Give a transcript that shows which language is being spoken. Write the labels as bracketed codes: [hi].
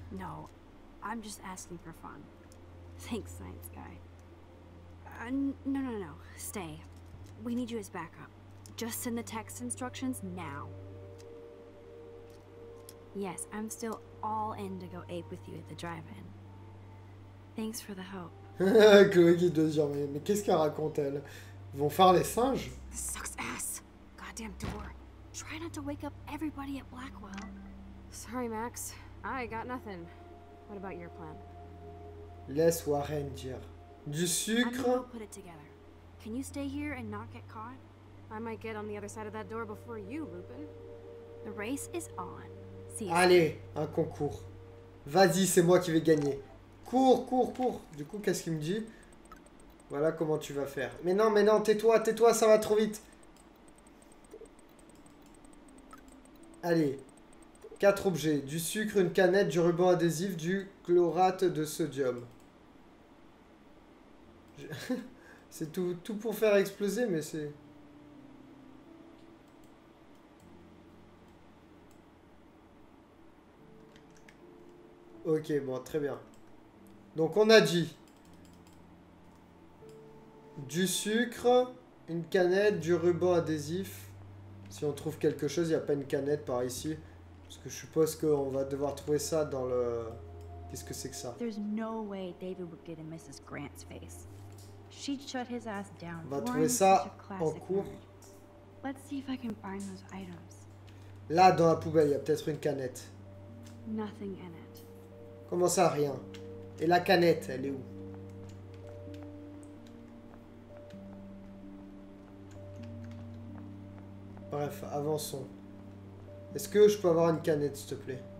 [en] No, I'm just asking for fun. Thanks, science guy. No, stay. We need you as backup. Just send the text instructions now. Yes, I'm still all in to go ape with you at the drive-in. Thanks for the help. [fr] Chloé qui doit dire, mais qu'est-ce qu'elle raconte, elle? Ils vont faire les singes? [en] This sucks ass. Damn door. Try not to wake up everybody at Blackwell. Sorry, Max. I got nothing. What about your plan? [fr] Laisse Warren dire. Du sucre. [en] I'll put it together. Can you stay here and not get caught? I might get on the other side of that door before you, Lupin. The race is on. See you. [fr] Allez, un concours. Vas-y, c'est moi qui vais gagner. Cours. Du coup, qu'est-ce qu'il me dit? Voilà comment tu vas faire. Mais non, tais-toi, ça va trop vite. Allez, 4 objets, du sucre, une canette, du ruban adhésif, du chlorate de sodium. C'est tout pour faire exploser, mais c'est... Ok, bon, très bien. Donc on a dit... Du sucre, une canette, du ruban adhésif... Si on trouve quelque chose, il n'y a pas une canette par ici. Parce que je suppose qu'on va devoir trouver ça dans le... Qu'est-ce que c'est que ça? [en] There's no way David would get in Mrs. Grant's face. She'd shut his ass down. [fr] On va trouver ça en cours. [en] Let's see if I can find those items. [fr] Là, dans la poubelle, il y a peut-être une canette. [en] Nothing in it. [fr] Comment ça, rien? Et la canette, elle est où? Bref, avançons. Est-ce que je peux avoir une canette, s'il te plaît?